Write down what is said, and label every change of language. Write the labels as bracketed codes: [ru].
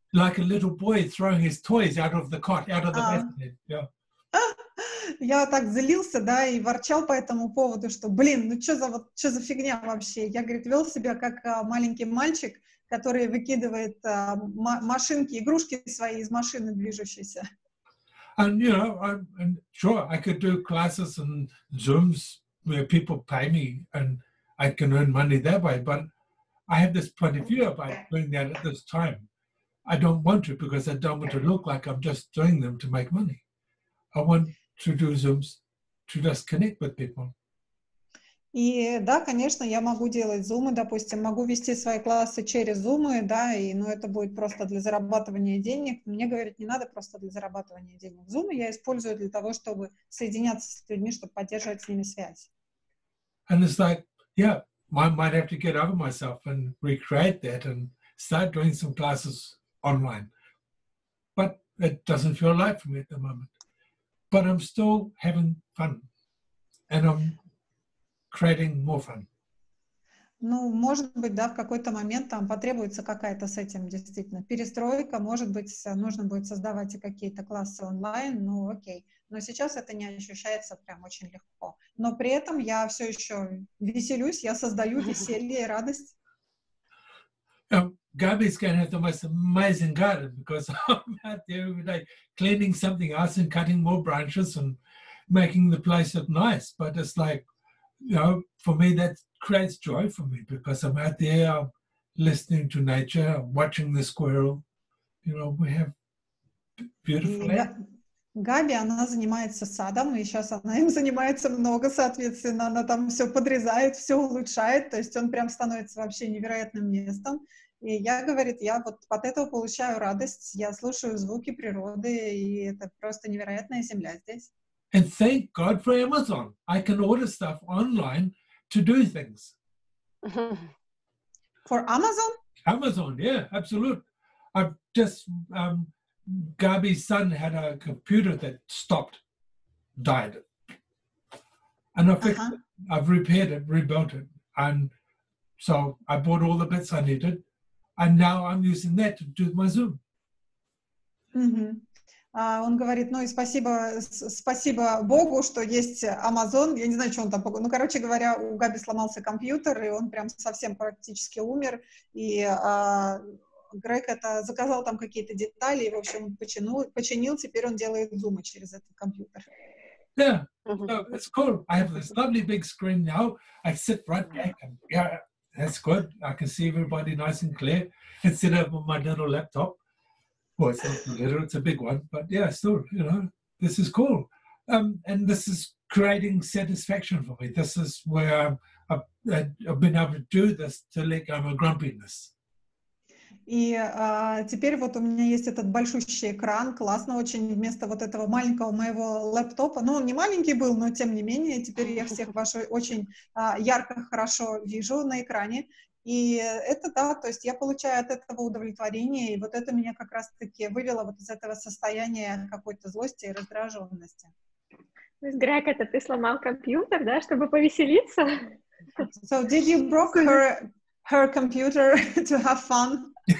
[en] Like a little boy throwing his toys out of the cot, out of the bassinet. [ru] Я так злился, да, и ворчал по этому поводу, что, блин, ну что за фигня вообще? Я, говорит, вел себя как маленький мальчик, который выкидывает машинки, игрушки свои из машины движущейся. [en] And, you know, I'm sure I could do classes and Zooms where people pay me and I can earn money that way, but I have this point of view about doing that at this time. I don't want to because I don't want to look like I'm just doing them to make money. I want to do Zooms to just connect with people. И да, конечно, я могу делать зумы, допустим, могу вести свои классы через зумы, да, и, ну, это будет просто для зарабатывания денег. Мне говорят, не надо просто для зарабатывания денег. Зумы я использую для того, чтобы соединяться с людьми, чтобы поддерживать с ними связь. And it's like, yeah, I might have to get over myself and recreate that and start doing some classes online. But it doesn't feel right for me at the moment. But I'm still having fun. And I'm creating more fun. [ru] Ну, может быть, да, в какой-то момент там потребуется какая-то с этим действительно перестройка. Может быть, нужно будет создавать и какие-то классы онлайн. Ну, окей. Но сейчас это не ощущается прям очень легко. Но при этом я все еще веселюсь, я создаю веселье и радость. [en] Габи's going to have the most amazing garden because I'm out there every day cleaning something else and cutting more branches and making the place look nice. But it's like, you know, for me that creates joy for me because I'm out there listening to nature, watching the squirrel. You know, we have beautiful land. [ru] Габи, она занимается садом, и сейчас она им занимается много, соответственно, она там все подрезает, все улучшает, то есть он прям становится вообще невероятным местом. И я, говорит, я вот от этого получаю радость, я слушаю звуки природы, и это просто невероятная земля здесь. [en] And thank God for Amazon. I can order stuff online to do things. For Amazon? Amazon, yeah, absolutely. I've just... Gabi's son had a computer that stopped, died. And I fixed it. I've repaired it, rebuilt it. And so I bought all the bits I needed. And now I'm using that to do my Zoom. [ru] Он говорит, ну и спасибо Богу, что есть Amazon. Я не знаю, что он там... Ну, короче говоря, у Габи сломался компьютер, и он прям совсем практически умер. И... Грег это заказал там какие-то детали и, в общем, починил. Теперь он делает зумы через этот компьютер. [en] Yeah, so it's cool. I have this lovely big screen now. I sit right back. And, yeah, that's good. I can see everybody nice and clear instead of my little laptop. Well, it's not little, it's a big one. But yeah, still, you know, this is cool. And this is creating satisfaction for me. This is where I've been able to do this to let go of my grumpiness. [ru] И теперь вот у меня есть этот большущий экран, классно очень, вместо вот этого маленького моего лэптопа. Ну, он не маленький был, но тем не менее, теперь я всех ваши очень ярко, хорошо вижу на экране. И это, да, то есть я получаю от этого удовлетворение, и вот это меня как раз-таки вывело вот из этого состояния какой-то злости и раздраженности. То есть, Грег, это ты сломал компьютер, да, чтобы повеселиться? [en] So, did you broke her computer to have fun?